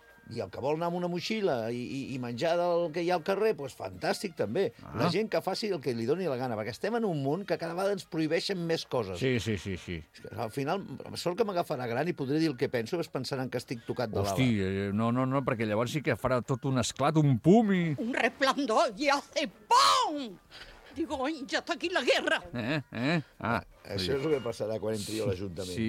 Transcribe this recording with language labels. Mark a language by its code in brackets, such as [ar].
[ca] I el que vol anar amb una motxilla i menjar del que hi ha al carrer, doncs fantàstic, també. La gent que faci el que li doni la gana, perquè estem en un món que cada vegada ens prohibeixen més coses. Sí. Al final, sort que m'agafarà gran i podré dir el que penso, es pensaran que estic tocat de l'ala. Hosti, no, perquè llavors sí que farà tot un esclat, un pum i... [es] Un resplandor i hace pum! Digo, ya está aquí la guerra. [ca] Això és el que passarà quan entri a l'Ajuntament.